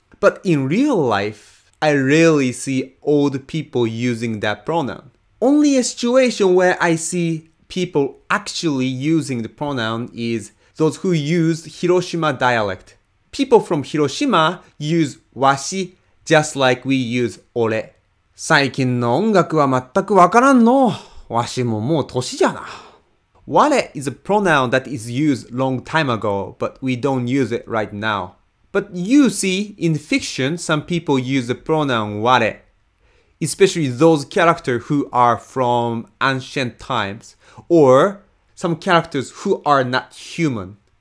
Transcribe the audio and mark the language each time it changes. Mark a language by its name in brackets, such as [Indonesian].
[English] But in real life, I rarely see old people using that pronoun. Only a situation where I see people actually using the pronoun is those who use Hiroshima dialect. People from Hiroshima use washi just like we use ore. [Japanese] 最近の音楽は全くわからんの。わしももう年じゃな。 [English] Ware is a pronoun that is used long time ago, but we don't use it right now. But you see, in fiction, some people use the pronoun Ware, especially those characters who are from ancient times, or some characters who are not human.